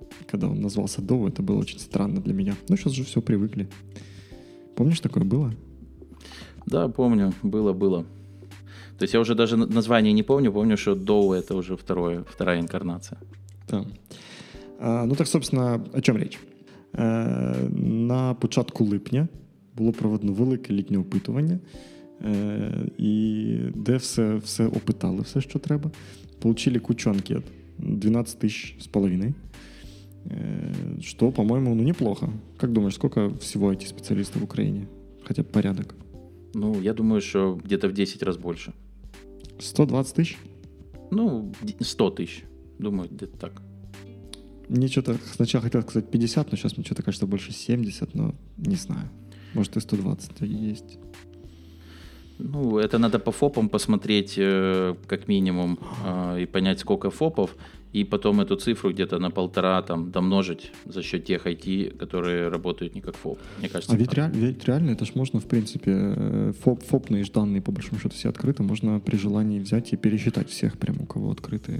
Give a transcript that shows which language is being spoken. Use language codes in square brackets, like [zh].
[ru] Когда он назвался Dow, это было очень странно для меня. Но сейчас же все привыкли. Помнишь, такое было? Да, помню. Было. То есть я уже даже название не помню. Помню, что Dow — это уже вторая инкарнация. Да. Ну так, собственно, о чем речь? [uk] На початку липня було проведено велике літнє опитування, і де все опитали, все, що треба. [ru] Получили кучу анкет, [uk] 12 тисяч з половиною, що, по-моєму, ну, неплохо. Як думаєш, скільки всього IT-спеціалістів в Україні? Хоча б порядок. Ну, я думаю, що где-то в 10 разів більше. 120 тисяч? Ну, 100 тисяч, думаю, [ru] где-то так. [uk] Мені щось спочатку хотів сказати 50, але зараз мені щось каже, що більше 70, але не знаю. [ru] Может, и 120-то есть. Ну, это надо по ФОПам посмотреть, как минимум, и понять, сколько ФОПов, и потом эту цифру где-то на полтора там домножить за счет тех IT, которые работают не как ФОП. Мне кажется, а ведь, реально, это ж можно, в принципе, ФОПные данные, по большому счету, все открыты, можно при желании взять и пересчитать всех, прям у кого открытые.